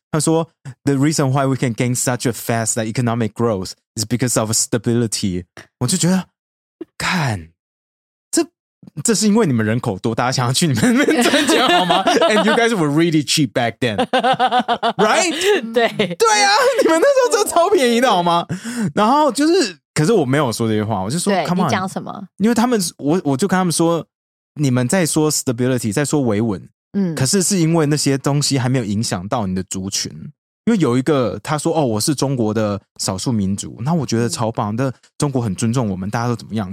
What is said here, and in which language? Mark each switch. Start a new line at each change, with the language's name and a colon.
Chinese: 他说
English: the reason why we can gain such a fast economic growth is because of stability。
Chinese: 我就觉得看这是因为你们人口多，大家想要去你们那边赚钱好吗？
English: And you guys were really cheap back then right？
Chinese: 对对啊，你们那时候真的超便宜的好吗？然后就是可是我没有说这些话，我就说
English: come on，
Chinese: 你讲什么，因为他们 我就跟他们说你们在说 stability， 在说维稳，嗯，可是是因为那些东西还没有影响到你的族群。因为有一个他说哦，我是中国的少数民族，那我觉得超棒的，中国很尊重我们，大家都怎么样。